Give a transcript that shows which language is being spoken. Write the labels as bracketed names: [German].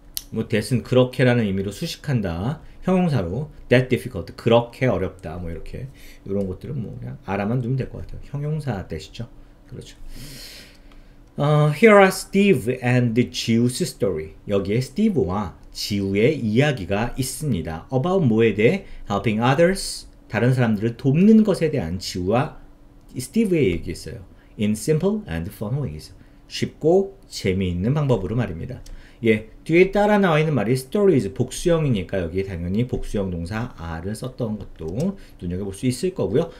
[Korean] 뭐, that은 그렇게라는 의미로 수식한다. 형용사로. That difficult. 그렇게 어렵다. 뭐, 이렇게. 이런 것들은 뭐, 그냥 알아만 두면 될것 같아요. 형용사 되시죠? 그렇죠. [English] Here are Steve and Jiu's story. [Korean] 여기에 스티브와 지우의 이야기가 있습니다. [English] About [Korean] 뭐에 대해? [English] Helping others. [Korean] 다른 사람들을 돕는 것에 대한 지우와 스티브의 얘기 있어요. [English] In simple and fun ways. [Korean] 쉽고 재미있는 방법으로 말입니다. 예, 뒤에 따라 나와 있는 말이 stories, 복수형이니까 여기에 당연히 복수형 동사 are을 썼던 것도 눈여겨볼 수 있을 거고요.